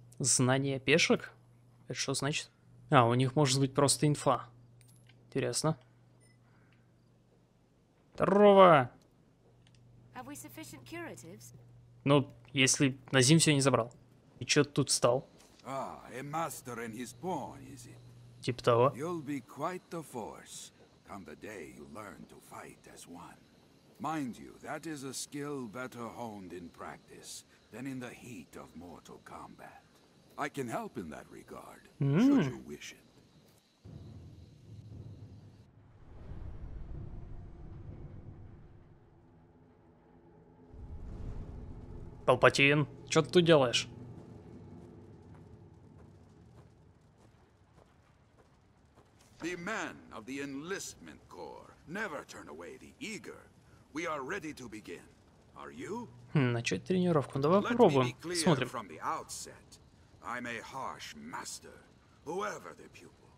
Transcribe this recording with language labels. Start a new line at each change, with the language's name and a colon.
Russian: Знание пешек? Это что значит? А, у них может быть просто инфа. Интересно. Здорово!
English: Have we sufficient curatives?
Russian: Ну, если Назим все не забрал. И чё ты тут встал?
English: A master in his pawn, is it?
Russian: Типа того.
English: You'll be quite the force, come the day you learn to fight as one. Mind you, that is a skill better honed in practice than in the heat of mortal combat. I can help in that regard, should you wish it.
Russian: Палпатин, что ты тут делаешь?
English: The men of the enlistment corps never turn away the eager. We are ready to begin. Are you?
Russian: Начать тренировку. Давай попробуем. Смотрим.
English: From the outset, I'm a harsh master, whoever the pupil.